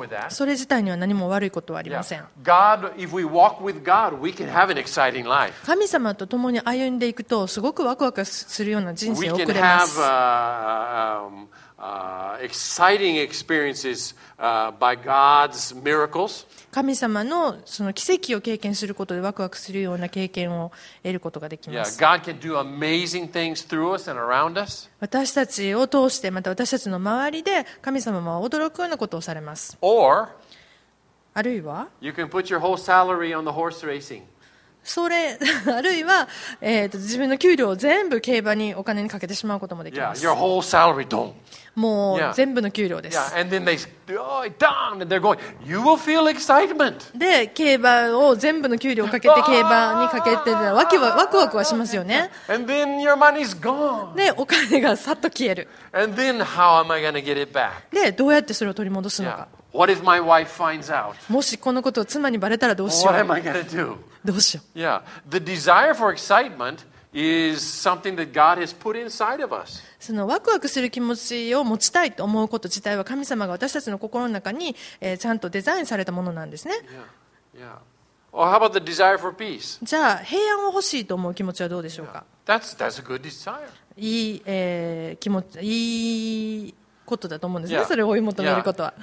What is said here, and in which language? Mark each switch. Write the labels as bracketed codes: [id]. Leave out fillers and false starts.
[ja] それ自体には何も悪いことはありません。 [en] Yeah. God, if we walk with God, we can have an exciting life. [ja] 神様と共に歩んでいくとすごくワクワクするような人生を送れます。 [en] We can have, exciting experiences, by God's miracles. [ja] 神様のその奇跡を経験することでワクワクするような経験を得ることができます。 [en] Yeah, God can do amazing things through us and around us. [ja] 私たちを通してまた私たちの周りで神様は驚くようなことをされます。 [en] Or, [ja] あるいは、 [en] you can put your whole salary on the horse racing. [ja] それあるいは、自分の給料を全部競馬にお金にかけてしまうこともできます。 [en] Yeah, your whole salary, don't. [ja] もう全部の給料です。 [en] Yeah, and then they, oh, done, and they're going. You will feel excitement. [ja] で競馬を全部の給料をかけて競馬にかけてたらわきはワクワクはしますよね。 [en] Yeah. And then your money's gone. [ja] でお金がさっと消える。 [en] And then how am I going to get it back? [ja] でどうやってそれを取り戻すのか。 [en] Yeah. What if my wife finds out? [ja] もしこのことを妻にバレたらどうしよう。 [en] What am I gonna do? [ja] どうしよう。 [en] Yeah. The desire for excitement is something that God has put inside of us. [ja] そのワクワクする気持ちを持ちたいと思うこと自体は神様が私たちの心の中に、ちゃんとデザインされたものなんですね。 [en] Yeah. Yeah. Or how about the desire for peace? [ja] じゃあ平安を欲しいと思う気持ちはどうでしょうか。 [en] Yeah. That's a good desire. [ja] いい、気持ち、いい。ことだと思うんですね。それを追い求めることは。